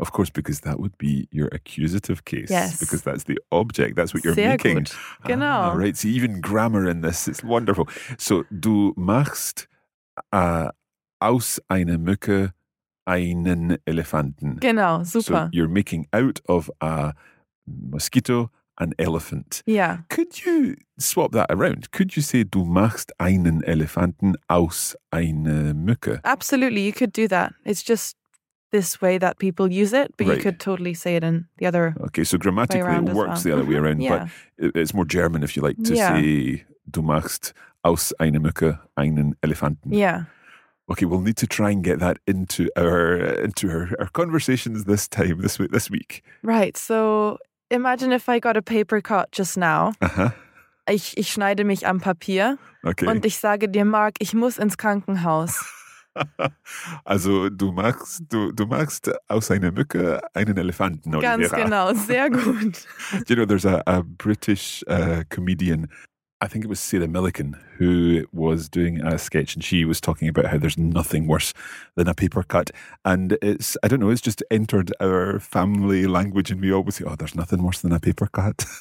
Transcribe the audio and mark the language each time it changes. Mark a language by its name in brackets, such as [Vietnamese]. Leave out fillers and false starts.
[English] Of course, because that would be your accusative case. Yes. Because that's the object. That's what you're [German] sehr [English] making. [German] Gut. Genau. [English] Ah, right. So even grammar in this, it's wonderful. [German] So du machst aus einer Mücke einen Elefanten. Genau, super. [English] So you're making out of a mosquito an elephant. Yeah. Could you swap that around? Could you say, [German] du machst einen Elefanten aus einer Mücke? [English] Absolutely, you could do that. It's just this way that people use it, but right, you could totally say it in the other way. Okay, so grammatically it works the other way around, yeah, but it's more German if you like to yeah, [German] say, du machst aus einer Mücke einen Elefanten. [English] Yeah. Okay, we'll need to try and get that into our conversations this time, this week. Right. So imagine if I got a paper cut just now. Uh-huh. [German] Ich schneide mich am Papier. [English] Okay. [German] Und ich sage dir, Mark, ich muss ins Krankenhaus. Also du magst aus einer Mücke einen Elefanten. Ganz Olivera. Genau, sehr gut. [English] Do you know, there's a British comedian, I think it was Sarah Millican, who was doing a sketch, and she was talking about how there's nothing worse than a paper cut. And it's, I don't know, it's just entered our family language, and we always say, oh, there's nothing worse than a paper cut.